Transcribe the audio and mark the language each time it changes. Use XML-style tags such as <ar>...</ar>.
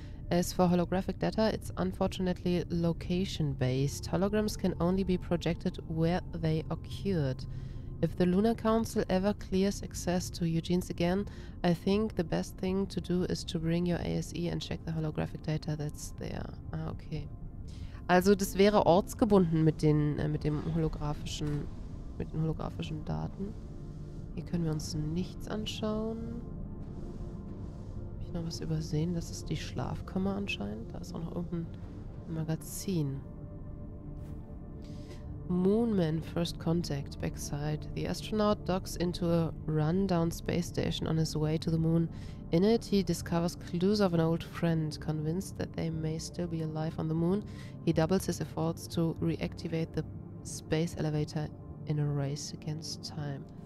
<en>As for holographic data, it's unfortunately location-based. Holograms can only be projected where they occurred. If the Lunar Council ever clears access to Eugene's again, I think the best thing to do is to bring your ASE and check the holographic data that's there. Ah, okay.</en> <de>Also das wäre ortsgebunden mit den holographischen Daten. Hier können wir uns nichts anschauen. Habe ich noch was übersehen? Das ist die Schlafkammer anscheinend. Da ist auch noch irgendein Magazin.</de> <en>Moonman First Contact Backside. The astronaut docks into a rundown space station on his way to the moon. In it, he discovers clues of an old friend. Convinced that they may still be alive on the moon, he doubles his efforts to reactivate the space elevator in a race against time.</en>